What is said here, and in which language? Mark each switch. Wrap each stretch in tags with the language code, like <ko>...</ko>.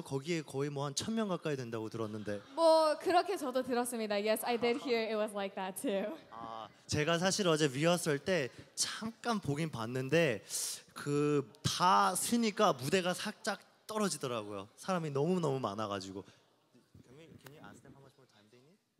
<ko>거기에 거의 뭐 한 천 명 가까이 된다고 들었는데. 뭐 그렇게 저도 들었습니다.</ko> <en>Yes, I did hear it was like that too.</en> <ko>아, 제가 사실 어제 리허설 때 잠깐 보긴 봤는데 그 다 쓰니까 무대가 살짝 떨어지더라고요. 사람이 너무 너무 많아가지고.</ko> <en>Can you ask them how much more time they need?</en>